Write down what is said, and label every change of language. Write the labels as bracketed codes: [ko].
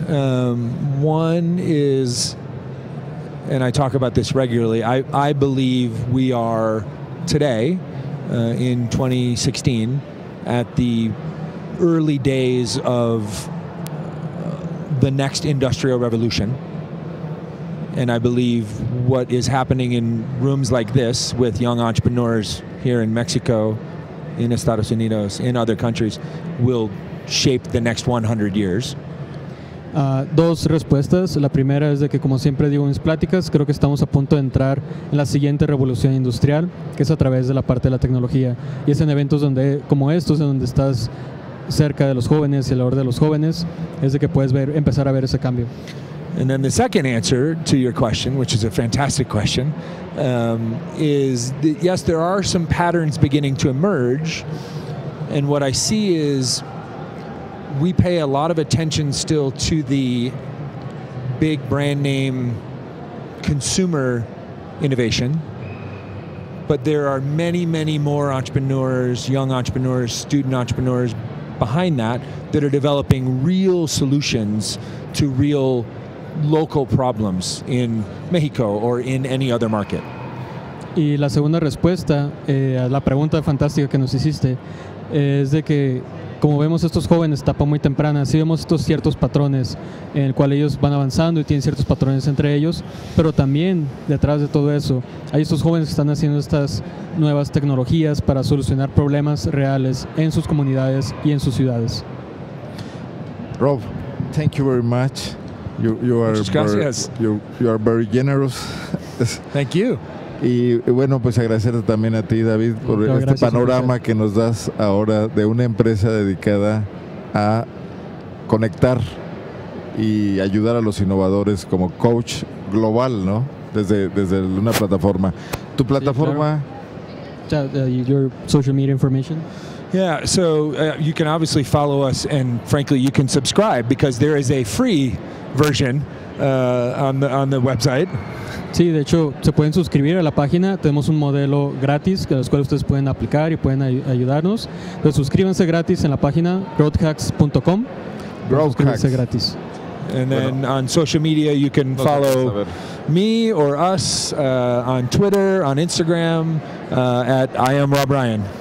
[en] One is, and I talk about this regularly, I believe we are today, in 2016, at the early days of the next industrial revolution. And I believe what is happening in rooms like this with young entrepreneurs here in Mexico, in Estados Unidos, in other countries, will shape the next 100 years. [es] Dos respuestas. La primera es de que, como siempre digo en mis pláticas, creo que estamos a punto de entrar en la siguiente revolución industrial, que es a través de la parte de la tecnología. Y es en eventos donde, como estos, en donde estás cerca de los jóvenes y el valor de los jóvenes, es de que puedes ver, empezar a ver ese cambio. [en] And then the second answer to your question, which is a fantastic question, is that yes, there are some patterns beginning to emerge. And what I see is we pay a lot of attention still to the big brand name consumer innovation. But there are many, many more entrepreneurs, young entrepreneurs, student entrepreneurs behind that, that are developing real solutions to real local problems in Mexico or in any other market. [es] Y la segunda respuesta a la pregunta fantástica que nos hiciste es de que, como vemos estos jóvenes etapa muy temprana, sí vemos estos ciertos patrones en el cual ellos van avanzando y tienen ciertos patrones entre ellos, pero también detrás de todo eso hay estos jóvenes que están haciendo estas nuevas tecnologías para solucionar problemas reales en sus comunidades y en sus ciudades. [en] Rob, thank you very much. You are you are very generous. Thank you. [es] Y bueno, pues agradecerte también a ti, David, por este panorama que nos das ahora de una empresa dedicada a conectar y ayudar a los innovadores como coach global, ¿no? Desde una plataforma. Tu plataforma. [en] Your social media information. Yeah, so you can obviously follow us, and frankly, you can subscribe because there is a free version on the website. [es] Sí, de hecho, se pueden suscribir a la página. Tenemos un modelo gratis que los cuales ustedes pueden aplicar y pueden ayudarnos. Pues suscríbanse gratis en la página growthhax.com. Suscríbanse gratis. [en] And then on social media, you can follow me or us on Twitter, on Instagram, at I am Rob Ryan.